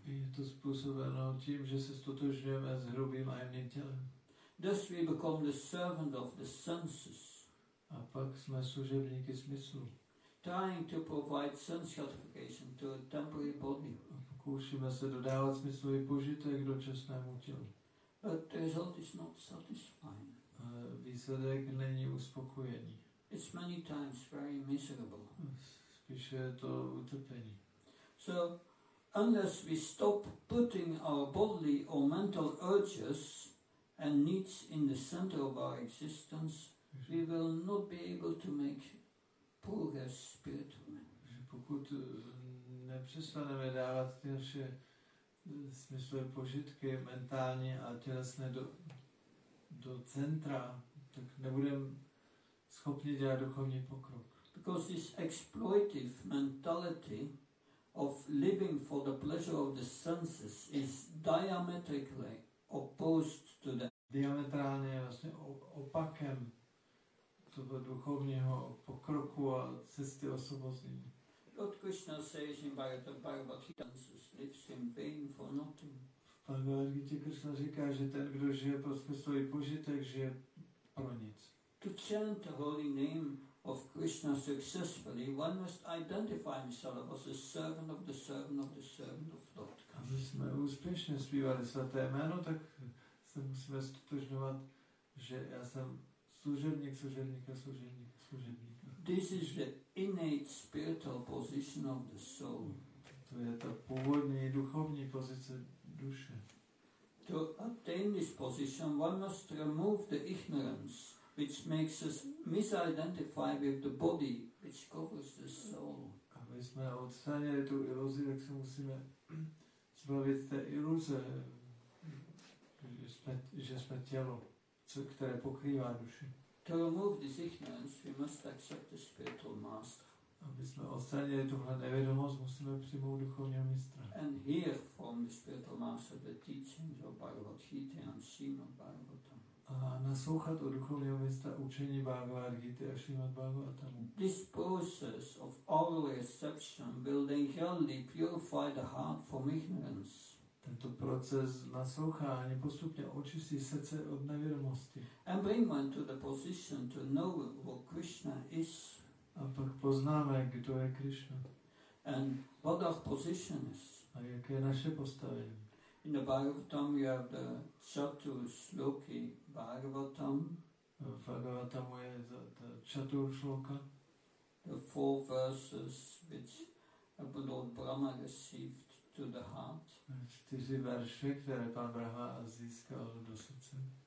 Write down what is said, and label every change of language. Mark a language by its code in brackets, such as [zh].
[cs] Je to způsobeno tím, že se stotožňujeme s hrubým a jemným tělem. [en] Thus we become the servant of the senses. [cs] A pak jsme služebníky smyslu. [en] Trying to provide sense gratification to a temporary body. [cs] Pokoušíme se dodávat smyslový požitek dočasnému tělu. [en] But the result is not satisfying. [cs] Výsledek není uspokojený. [en] It's many times very miserable. [cs] Spíše je to utrpení. [en] So, unless we stop putting our bodily or mental urges and needs in the center of our existence, we will not be able to make progress spiritually. [cs] Pokud nepřestaneme dávat ty naše smyslové požitky mentální a tělesné do centra, tak nebudeme schopni dělat duchovní pokrok. [en] Because this exploitive mentality of living for the pleasure of the senses is diametrically opposed to the [cs] diametrálně vlastně opakem toho duchovního pokroku a cesty osvobození. [en] Lord Krishna says in Bhagavad-gītā, lives in vain for nothing. [cs] Bhagavad-gītā Krishna říká, že ten, kdo žije pro smyslový požitek, žije pro nic. [en] To chant the holy name of Krishna successfully, one must identify himself as a servant of the servant of the servant of Lord Krishna. [cs] Aby jsme úspěšně zpívali svaté jméno, tak se musíme stotožňovat, že já jsem služebník, služebníka, služebníka, služebník. [en] This is the innate spiritual position of the soul. [cs] To je ta původní duchovní pozice duše. [en] To attain this position, one must remove the ignorance which makes us misidentify with the body which covers the soul. [cs] Aby jsme odstranili tu iluzi, tak se musíme zbavit té iluze, že jsme tělo, které pokrývá duši. [en] To remove this ignorance, we must accept the spiritual master. [cs] Aby jsme odstranili tuhle nevědomost, musíme přijmout duchovního mistra. [en] And hear from the spiritual master the teachings of Bhagavad-gītā and Śrīmad-Bhāgavatam. [cs] A naslouchat od duchovního mistra učení Bhagavad-gītā a Śrīmad-Bhāgavatam. [en] This process of oral reception will then healthily purify the heart from ignorance. [cs] Tento proces naslouchání postupně očistí srdce od nevědomosti. [en] And bring one to the position to know what Krishna is. [cs] A pak poznáme, kdo je Krishna. [en] And what our position is. [cs] A jaké je naše postavení. [en] In the Bhagavatam you have the Chatur Shloki Bhagavatam. [cs] V Bhagavatamu je ta Chatur Shloka. [en] The four verses which Lord Brahma received to the heart. [cs] Čtyři verše, které pan Brahma získal do srdce.